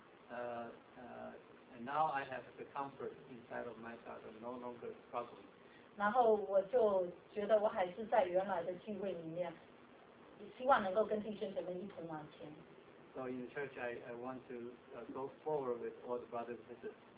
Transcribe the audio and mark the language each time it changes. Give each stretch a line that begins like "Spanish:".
English: And now I have the comfort inside of myself, I'm no longer struggling.
Chinese: 然后我就觉得我还是在原来的聚会里面，希望能够跟弟兄姐妹一同往前。
English: So in the church, I want to go forward with all the brothers and sisters.